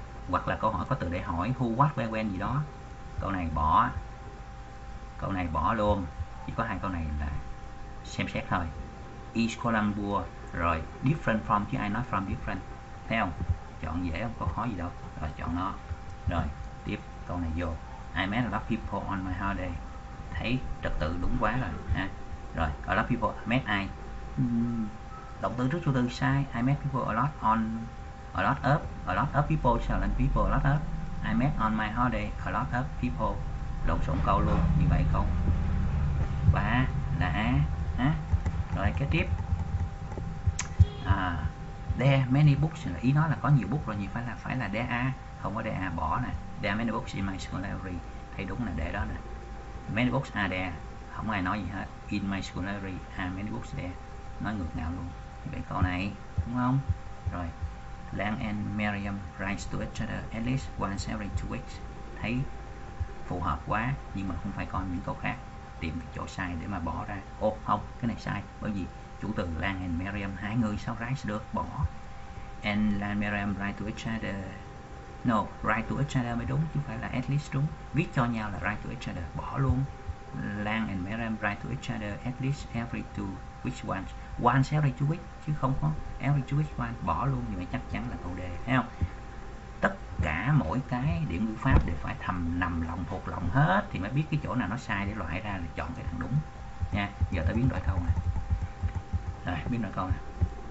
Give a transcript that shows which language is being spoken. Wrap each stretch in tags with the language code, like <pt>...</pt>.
<vi>Hoặc là câu hỏi có từ để hỏi who, what, where, when gì đó. Câu này bỏ. Câu này bỏ luôn. Chỉ có hai câu này là xem xét thôi.</vi> <en>Is Columbia.</en> <vi>Rồi,</vi> <en>different from</en> <vi>chứ ai nói</vi> <en>from different.</en> <vi>Thấy không? Chọn dễ không? Có khó gì đâu. Rồi, chọn nó. Rồi, tiếp câu này vô.</vi> <en>I met a lot of people on my holiday.</en> <vi>Thấy trật tự đúng quá rồi ha. Rồi,</vi> <en>a lot of people.</en> <vi>Met ai? Động từ trước chủ từ sai.</vi> <en>I met people a lot on, a lot of, a lot of people.</en> <vi>Sao lên</vi> <en>people a lot of. I met on my holiday a lot of people.</en> <vi>Lộn xộn câu luôn. Như vậy câu 3 là A ha. Rồi, kế tiếp.</vi> <en>There are many books.</en> <vi>Ý nói là có nhiều bút rồi, nhưng phải là</vi> <en>there are.</en> <vi>Không có</vi> <en>there are,</en> <vi>bỏ nè.</vi> <en>There are many books in my school library.</en> <vi>Thấy đúng nè, để đó nè.</vi> <en>Many books are there.</en> <vi>Không ai nói gì hết.</vi> <en>In my school library are many books there.</en> <vi>Nói ngược ngạo luôn. Vậy câu này, đúng không? Rồi,</vi> <en>Lang and Miriam write to each other at least once every 2 weeks.</en> <vi>Thấy phù hợp quá, nhưng mà không phải coi những câu khác. Tìm cái chỗ sai để mà bỏ ra. Ồ, không, cái này sai. Bởi vì chủ từ Lang and Miriam, hai người sao write được, bỏ.</vi> <en>And Lang and Miriam write to each other. No, write to each other</en> <vi>mới đúng, chứ phải là</vi> <en>at least</en> <vi>đúng. Viết cho nhau là</vi> <en>write to each other,</en> <vi>bỏ luôn.</vi> <en>Lang and Miriam write to each other at least every 2 weeks once. Once every 2 weeks,</en> <vi>chứ không có</vi> <en>every 2 weeks once,</en> <vi>bỏ luôn. Nhưng mà chắc chắn là câu đề, thấy không? Tất cả mỗi cái điểm ngữ pháp đều phải thầm nằm lòng thuộc lòng hết thì mới biết cái chỗ nào nó sai để loại ra là chọn cái thằng đúng nha. Giờ tới biến đổi câu nè. Rồi, biến đổi câu nè.</vi>